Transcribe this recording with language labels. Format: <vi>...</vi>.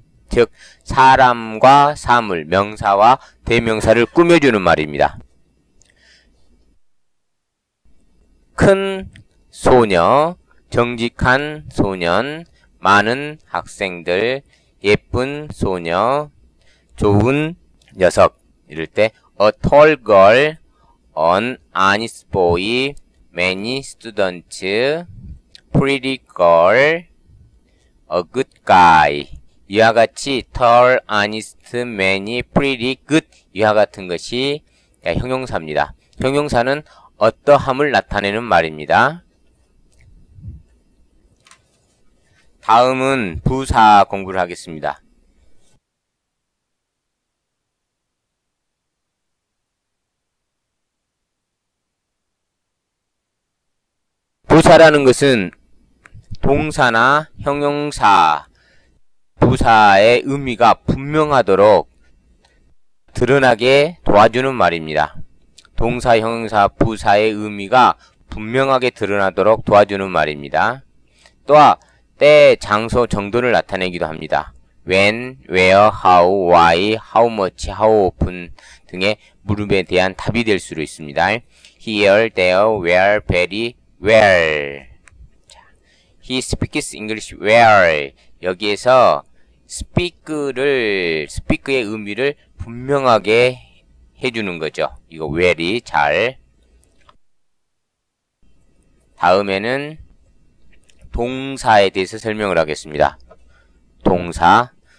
<ko>즉, 사람과 사물, 명사와 대명사를 꾸며주는 말입니다. 큰 소녀, 정직한 소년, 많은 학생들, 예쁜 소녀, 좋은 녀석. 이럴 때,</ko> <en>a tall girl, an honest boy, many students, pretty girl, a good guy.</en> <ko>이와 같이,</ko> <en>tall, honest, many, pretty, good.</en> <ko>이와 같은 것이 형용사입니다. 형용사는 어떠함을 나타내는 말입니다. 다음은 부사 공부를 하겠습니다. 부사라는 것은 동사나 형용사, 부사의 의미가 분명하도록 드러나게 도와주는 말입니다. 동사, 형용사, 부사의 의미가 분명하게 드러나도록 도와주는 말입니다. 또한 때, 장소, 정도를 나타내기도 합니다.</ko> <en>When, where, how, why, how much, how often</en> <ko>등의 물음에 대한 답이 될 수도 있습니다.</ko> <en>Here, there, where, very, well. He speaks English well.</en> <ko>여기에서 speak의 의미를 분명하게 해주는 거죠. 이거 very, 잘. 다음에는 동사에 대해서 설명을 하겠습니다. 동사.</ko>